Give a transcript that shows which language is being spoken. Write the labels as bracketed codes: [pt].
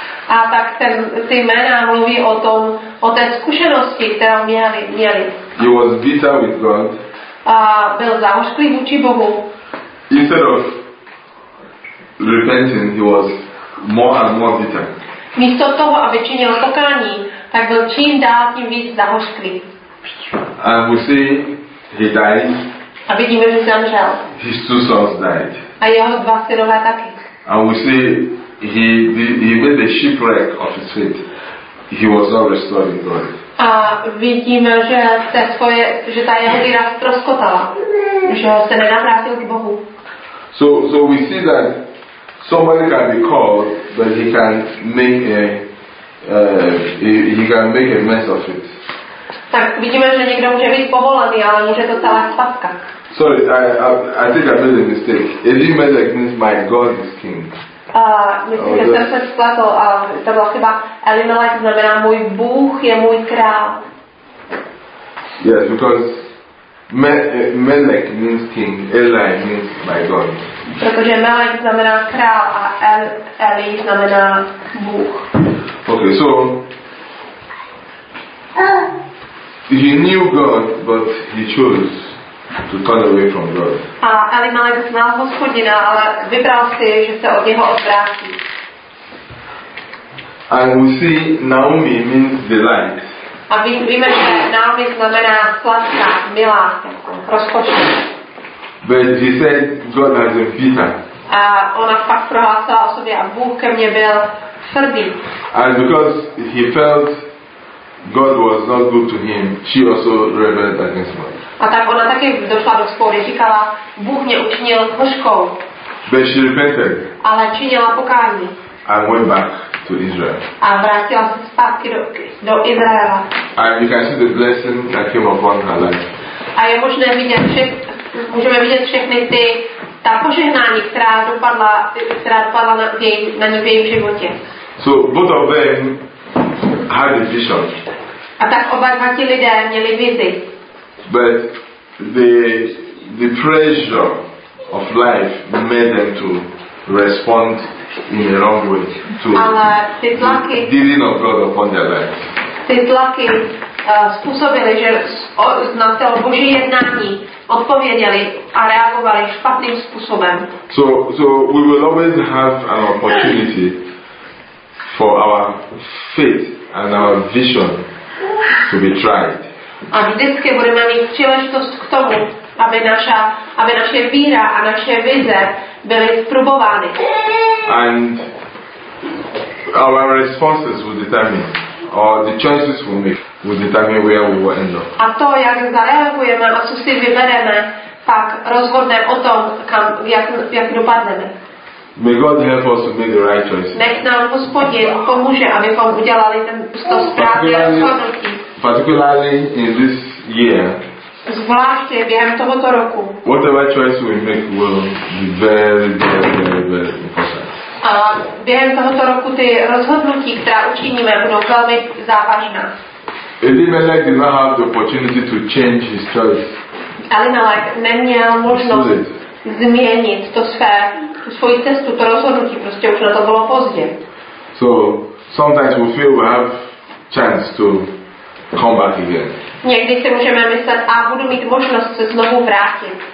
[cs] A tak ty jména mluví o té zkušenosti, kterou měli. [en] He was bitter with God. [cs] A byl zahořklý vůči Bohu. [en] Instead of repenting, he was more and more bitter. [cs] Místo toho, aby činil pokání, tak byl čím dál tím víc zahořklý. [en] And we see he died. [cs] A vidíme, že zemřel. [en] His two sons died. [cs] A jeho dva synové taky. [en] And we see he made a shipwreck of his faith. He was not restored in God. [cs] A vidíme, že se svoje, že ta jeho víra ztroskotala, že ho se nenavrátil k Bohu. [en] So we see that somebody can be called, but he can make a mess of it. [cs] Tak vidíme, že někdo může být povolaný, ale může to celá spaska. [en] Sorry, I think I made a mistake. Elimelech means my God is king. [cs] Myslím, že jsem se spletl a to byla chyba. Elimelech znamená můj Bůh je můj král. [en] Yes, because Melech means king, Eli means my God. [cs] Protože Melech znamená král a Eli znamená Bůh. [en] Okay, so he knew God, but he chose to turn away from God. [cs] A Elimelech znal Hospodina, ale vybral si, že se od něho odvrátí. [en] And we see Naomi means delight. [cs] A víme, že námi znamená sladká, milá, rozkošná. [en] But she said God has a bitter. [cs] A ona pak prohlásila o sobě a Bůh ke mně byl tvrdý. [en] And because he felt God was not good to him, she also rebelled against God. [cs] A tak ona taky došla do spory, říkala, Bůh mě učinil hořkou. [en] But she repented. [cs] Ale činila pokání. [en] And went back to Israel. [cs] A vrátila se zpátky do Izraela. [en] And you can see the blessing that came upon her life. [cs] A je možné vidět můžeme vidět všechny ty ta požehnání, která dopadla na ní v jejím životě. [en] So both of them had a vision. [cs] A tak oba dva ti lidé měli vizi. [en] But the pressure of life made them to respond in the wrong way to the dealing of God upon their lives. [cs] Ty tlaky způsobily, že na to Boží jednání odpověděli a reagovali špatným způsobem. [en] So we will always have an opportunity for our faith and our vision to be tried. [cs] A vždycky budeme mít příležitost k tomu, aby naše víra a naše vize byly zprobovány. [en] And our responses will determine, or the choices we make will determine where we will end up. [cs] A to, jak zareagujeme a co si vybereme, tak rozhodne o tom, jak dopadneme. [en] May God help us to make the right choices. [cs] Nech nám Hospodin pomůže, abychom udělali to správné rozhodnutí. [en] Particularly in this year, [cs] zvláště během tohoto roku, [en] whatever choice we make will be very, very, very, very important. [cs] A během tohoto roku ty rozhodnutí, která učiníme, budou velmi závažná. [en] Elimelech did not have the opportunity to change his choice. [cs] Elimelech neměl možnost změnit svoji cestu, to rozhodnutí, prostě už na to bylo pozdě. [en] So sometimes we feel we have chance to come back again. [cs] Někdy si můžeme myslet, a budu mít možnost se znovu vrátit.